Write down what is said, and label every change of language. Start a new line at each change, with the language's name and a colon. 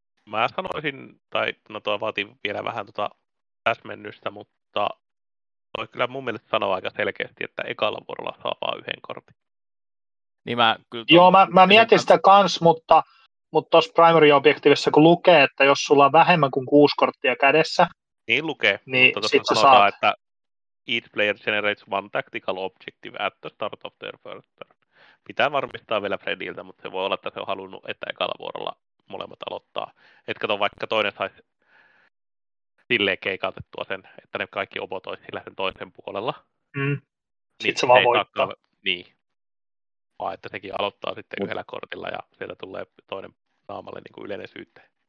Finnish: Mä sanoisin, tai no toi vaatii vielä vähän tota täsmennystä, mutta toi kyllä mun mielestä sanoo aika selkeästi, että ekalla vuorolla saa vaan yhden kortin. Niin mä kyllä joo, mä mietin sitä kans, mutta tossa primary objektiivissa kun lukee, että jos sulla on vähemmän kuin 6 korttia kädessä, niin lukee, niin mutta sit sä saat.
English: Että each player generates one tactical objective at the start of their first turn.
Finnish: Pitää varmistaa vielä Frediltä, mutta se voi olla, että se on halunnut, että ekalla vuorolla molemmat aloittaa. Etkä to vaikka toinen saisi silleen keikautettua sen, että ne kaikki opotoisi sillä sen toisen puolella. Mm. Sitten niin se vaan voittaa. Niin. Vaan että sekin aloittaa sitten yhdellä kortilla ja sieltä tulee toinen naamalle niin kuin yleinen syytte.